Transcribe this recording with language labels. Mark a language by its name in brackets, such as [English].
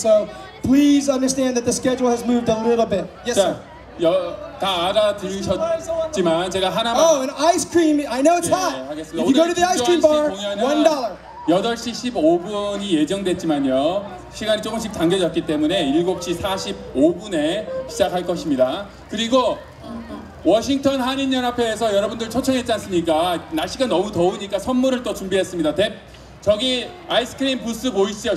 [English] So please understand that the schedule has moved a little bit. Yes, sir. [Korean] 여, 다 알아들으셨지만 제가 하나만. [English] Oh, an ice cream. I know it's hot. [Korean] 예, [English] if you go to the ice cream bar, $1. [Korean] 8시 15분이 예정됐지만요. 시간이 조금씩 당겨졌기 때문에 7시 45분에 시작할 것입니다. 그리고 워싱턴 한인연합회에서 여러분들 초청했지 않습니까? 날씨가 너무 더우니까 선물을 또 준비했습니다. 저기 아이스크림 부스 보이시죠?